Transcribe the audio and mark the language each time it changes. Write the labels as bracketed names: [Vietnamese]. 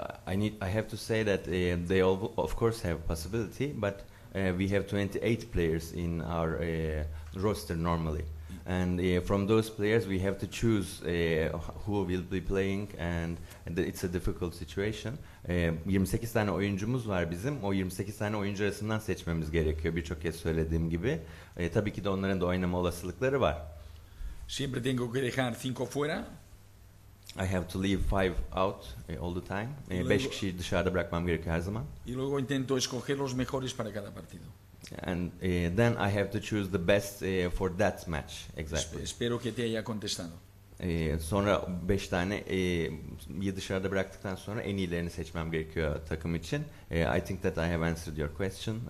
[English] I have to say that they all of course have possibility, but we have 28 players in our roster normally. And from those players we have to choose who will be playing, and it's a difficult situation. [Turkish] 28 tane oyuncumuz var bizim. O 28 tane oyuncu arasından seçmemiz gerekiyor, birçok kez söylediğim gibi. Tabii ki de onların da oynama olasılıkları var. [Spanish] Siempre tengo que dejar cinco fuera. [English] I have to leave five out all the time. [Spanish] Luego, [Turkish] 5 kişiyi dışarıda bırakmam gerekiyor her zaman. [Spanish] Y luego intento escoger los mejores para cada partido. [English] And then I have to choose the best for that match, exactly. [Spanish] Espero que te haya contestado. [Turkish] Sonra 5 tane ya dışarıda bıraktıktan sonra en iyilerini seçmem gerekiyor takım için. [English] I think that I have answered your question.